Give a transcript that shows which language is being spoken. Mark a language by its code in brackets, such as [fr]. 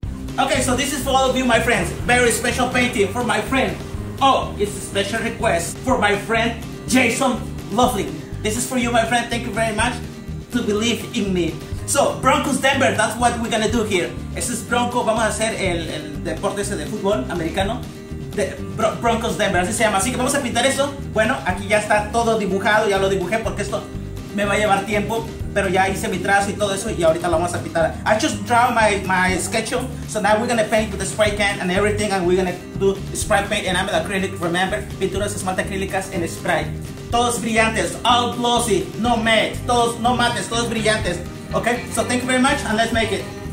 [en] Okay, so this is for all of you, my friends. Very special painting for my friend. Oh, it's a special request for my friend, Jason Lovely. This is for you, my friend. Thank you very much to believe in me. So, Broncos Denver, that's what we're gonna do here. [es] Este es Bronco, vamos a hacer el deporte ese de fútbol americano. De Broncos Denver, así se llama. Así que vamos a pintar eso. Bueno, aquí ya está todo dibujado, ya lo dibujé porque esto me va a llevar tiempo. Pero ya hice mi trazo y todo eso y ahorita lo vamos a pintar. [en] I just draw my schedule, so now we're gonna paint with the spray can and everything, and we're gonna do spray paint and enamel acrylic. [es] Remember, pinturas, esmalte acrílicas en spray. Todos brillantes, all glossy, no matte, todos no mates, todos brillantes. [en] Okay, so thank you very much and let's make it.